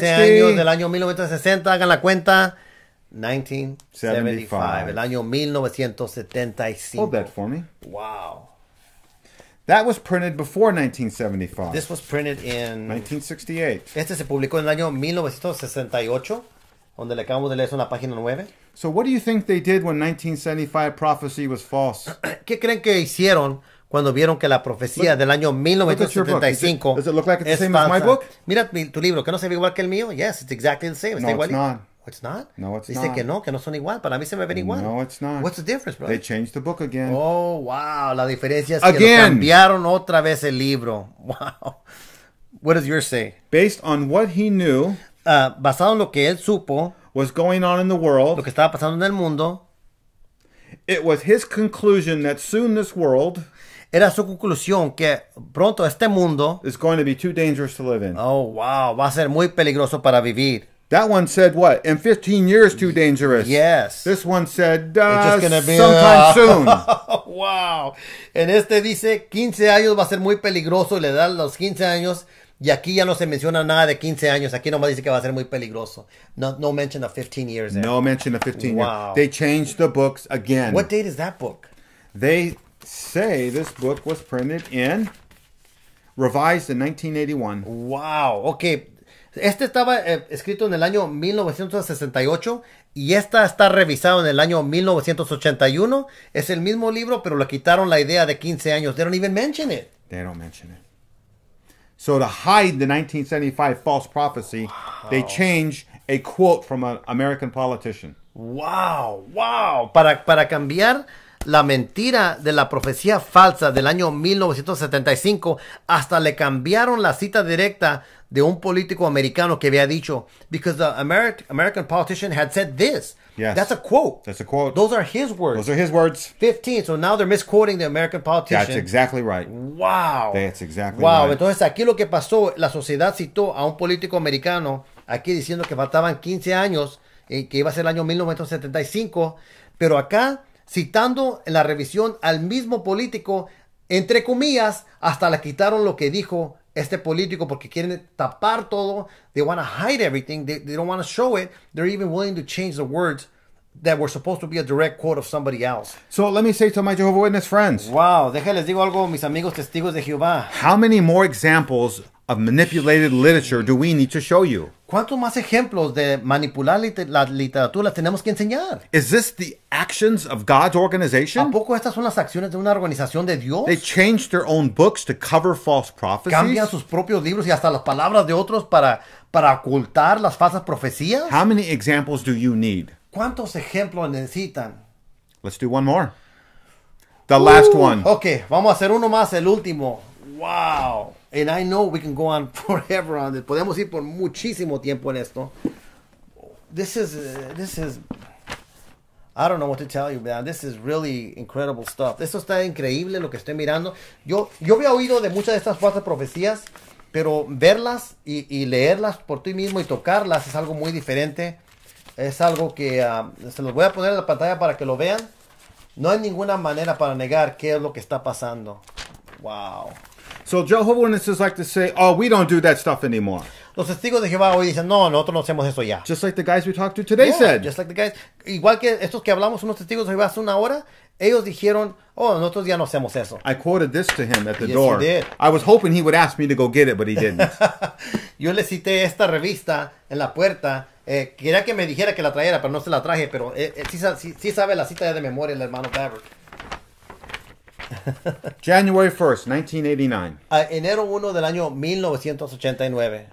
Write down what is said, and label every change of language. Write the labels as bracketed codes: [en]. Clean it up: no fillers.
[es] 15 años del año 1960, hagan la cuenta. 1975. El año 1975. [en] Hold that for me. Wow. That was printed before 1975. This was printed in... 1968. [es] Este se publicó en el año 1968. Donde le acabamos de leer eso en la página 9. [en] So what do you think they did when 1975 prophecy was false? [es] ¿Qué creen que hicieron cuando vieron que la profecía del año 1975 es falsa? [en] Does it look like it's the same as my book? [es] Mira tu libro, ¿que no se ve igual que el mío? [en] Yes, it's exactly the same. No, it's not. What's not? No, it's not. [es] Dice que no son igual. Para mí se me ven igual. [en] No, it's not. What's the difference, brother? They changed the book again. Oh, wow. [es] La diferencia es que lo cambiaron otra vez el libro. [en] Wow. What does yours say? Based on what he knew... [es] Basado en lo que él supo, [en] was going on in the world, [es] lo que estaba pasando en el mundo, [en] it was his conclusion that soon this world, [es] era su conclusión que pronto este mundo, [en] is going to be too dangerous to live in. [es] Oh, wow, va a ser muy peligroso para vivir. [en] That one said what? In 15 years, too dangerous. Yes. This one said, sometime soon. Wow. [es] En este dice, 15 años va a ser muy peligroso, y le da los 15 años. Y aquí ya no se menciona nada de 15 años. Aquí nomás dice que va a ser muy peligroso. [en] No mention of 15 years. No mention of 15 years. Wow. They changed the books again. What date is that book? They say this book was printed in, revised in 1981. Wow. Okay. [es] Este estaba escrito en el año 1968. Y esta está revisado en el año 1981. Es el mismo libro, pero le quitaron la idea de 15 años. [en] They don't even mention it. They don't mention it. So to hide the 1975 false prophecy, They change a quote from an American politician. [es] Wow, wow. Para cambiar la mentira de la profecía falsa del año 1975, hasta le cambiaron la cita directa de un político americano que había dicho, [en] because the American politician had said this. Yes. That's a quote. That's a quote. Those are his words. Those are his words. 15, so now they're misquoting the American politician. That's exactly right. Wow. That's exactly wow. [es] Wow, entonces aquí lo que pasó, la sociedad citó a un político americano aquí diciendo que faltaban 15 años, que iba a ser el año 1975, pero acá citando en la revisión al mismo político, entre comillas, hasta le quitaron lo que dijo este político porque quieren tapar todo. [en] They want to hide everything. They don't want to show it. They're even willing to change the words that were supposed to be a direct quote of somebody else. So let me say to my Jehovah's Witness friends. [es] Wow, déjales digo algo, mis amigos testigos de Jehová. [en] How many more examples of manipulated literature do we need to show you? [es] ¿Cuántos más ejemplos de manipular la literatura tenemos que enseñar? [en] Is this the actions of God's organization? [es] ¿A poco estas son las acciones de una organización de Dios? [en] They change their own books to cover false prophecies. [es] ¿Cambian sus propios libros y hasta las palabras de otros para ocultar las falsas profecías? [en] How many examples do you need? [es] ¿Cuántos ejemplos necesitan? [en] Let's do one more. The last one. [es] Okay, vamos a hacer uno más, el último. [en] Wow. And I know we can go on forever on this. [es] Podemos ir por muchísimo tiempo en esto. [en] This is, I don't know what to tell you, man. This is really incredible stuff. [es] Esto está increíble lo que estoy mirando. Yo había oído de muchas de estas falsas profecías, pero verlas y leerlas por ti mismo y tocarlas es algo muy diferente. Es algo que se los voy a poner en la pantalla para que lo vean. No hay ninguna manera para negar qué es lo que está pasando. Wow. [en] So Jehovah's Witnesses like to say, oh, we don't do that stuff anymore. [es] Los testigos de Jehová hoy dicen, no, nosotros no hacemos eso ya. [en] Just like the guys we talked to today said. Just like the guys. [es] Igual que estos que hablamos, unos testigos de Jehová hace una hora, ellos dijeron, oh, nosotros ya no hacemos eso. [en] I quoted this to him at the yes, door. Yes, he did. I was hoping he would ask me to go get it, but he didn't. [es] Yo le cité esta revista en la puerta. Quería que me dijera que la trajera, pero no se la traje. Pero sí sabe la cita ya de memoria el hermano Babbert. [en] January 1st, 1989. [es] Enero 1 del año 1989.